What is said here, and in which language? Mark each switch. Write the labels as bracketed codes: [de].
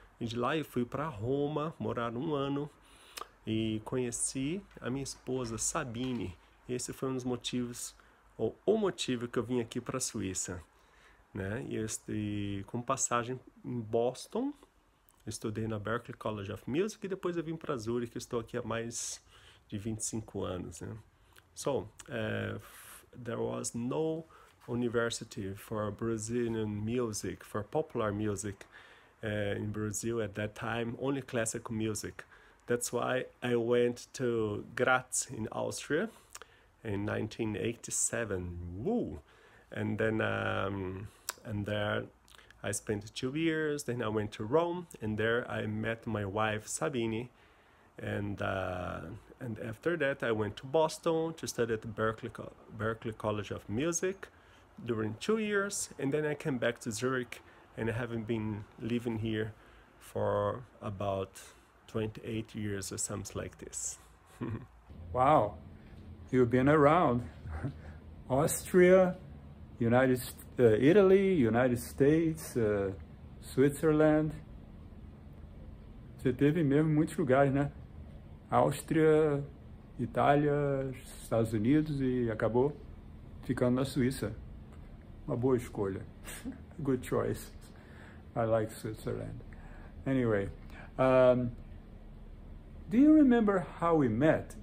[pt] E de lá eu fui para Roma, morar um ano e conheci a minha esposa Sabine. Esse foi um dos motivos, ou o motivo que eu vim aqui para a Suíça. Né? E com passagem em Boston, estudei na Berklee College of Music e depois eu vim para Zurich, estou aqui há mais de 25 anos. Né? [en] So, there was no university for Brazilian music, for popular music in Brazil at that time, only classical music. That's why I went to Graz in Austria in 1987. Woo! And then and there I spent 2 years. Then I went to Rome, and there I met my wife Sabine. And after that, I went to Boston to study at the Berklee College of Music during 2 years. And then I came back to Zurich, and I haven't been living here for about 28 years or something like this. Wow, you've been around Austria, Italy, United States, Switzerland. [pt] Você teve mesmo muitos lugares, né? Áustria, Itália, Estados Unidos e acabou ficando na Suíça. Uma boa escolha. [en] Good choice. I like Switzerland. Anyway, do you remember how we met?